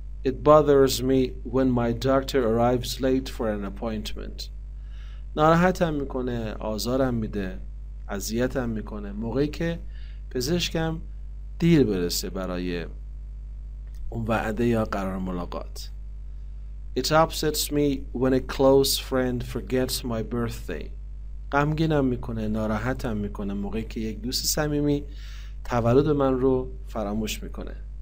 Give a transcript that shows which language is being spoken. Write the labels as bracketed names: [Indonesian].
[English] It bothers me when my doctor arrives late for an appointment. [Persian] ناراحتم میکنه، آزارم میده، اذیتم میکنه موقعی که پزشکم دیر برسه برای اون وعده یا قرار ملاقات. [English] It upsets me when a close friend forgets my birthday. [Persian] غمگینم میکنه، ناراحتم میکنه موقعی که یک دوست صمیمی تولد من رو فراموش میکنه.